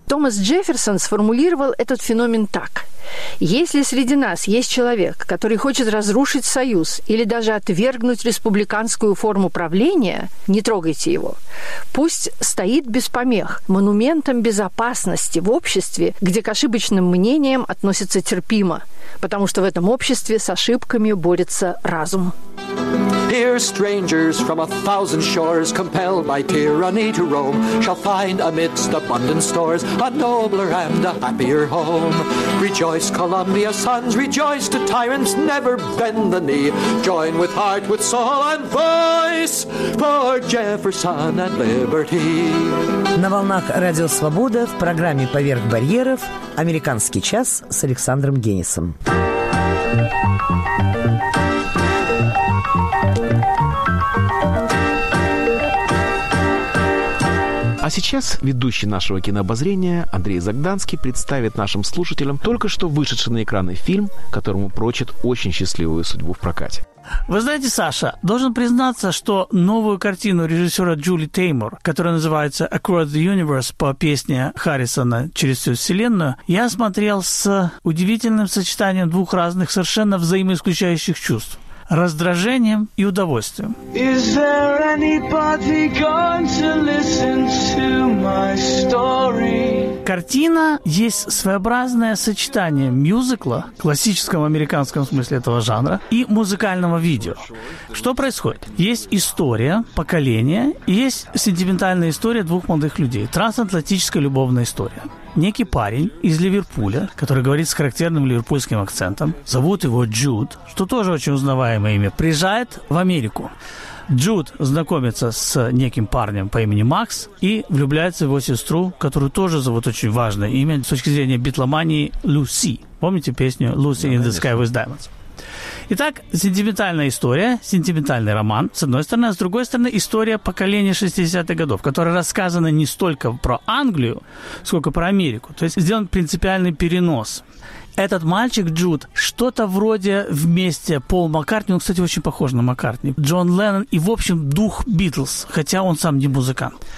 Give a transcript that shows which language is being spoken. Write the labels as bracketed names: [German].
[Russian] Томас Джефферсон сформулировал этот феномен так: «Если среди нас есть человек, который хочет разрушить Союз или даже отвергнуть республиканскую форму правления, не трогайте его. Пусть стоит без помех, монументом безопасности в обществе, где к ошибочным мнениям относятся терпимо, потому что в этом обществе с ошибками борется разум». [English] Here strangers from a thousand shores, compelled by tyranny to roam, shall find amidst abundant stores a nobler and a happier home. Rejoice, Columbia sons, rejoice, to tyrants never bend the knee. Join with heart, with soul and voice for Jefferson and liberty. [Russian] На волнах Радио Свобода в программе «Поверх барьеров» «Американский час» с Александром Генисом. А сейчас ведущий нашего кинообозрения Андрей Загданский представит нашим слушателям только что вышедший на экраны фильм, которому прочит очень счастливую судьбу в прокате. Вы знаете, Саша, должен признаться, что новую картину режиссера Джули Теймор, которая называется «Across the Universe» по песне Харрисона «Через всю вселенную», я смотрел с удивительным сочетанием двух разных совершенно взаимоисключающих чувств. Раздражением и удовольствием. [English] Is there anybody going to listen to my story? [Russian] Картина есть своеобразное сочетание мюзикла, классического в американском смысле этого жанра, и музыкального видео. Что происходит? Есть история поколения, и есть сентиментальная история двух молодых людей. Трансатлантическая любовная история. Некий парень из Ливерпуля, который говорит с характерным ливерпульским акцентом, зовут его Джуд, что тоже очень узнаваемое имя, приезжает в Америку. Джуд знакомится с неким парнем по имени Макс и влюбляется в его сестру, которую тоже зовут очень важное имя с точки зрения битломании — Люси. Помните песню «Lucy in the Sky with Diamonds»? Итак, сентиментальная история, сентиментальный роман, с одной стороны, а с другой стороны, история поколения 60-х годов, которая рассказана не столько про Англию, сколько про Америку. То есть сделан принципиальный перенос. Этот мальчик Джуд, что-то вроде вместе Пол Маккартни, он, кстати, очень похож на Маккартни, Джон Леннон и, в общем, дух Битлз, хотя он сам не музыкант.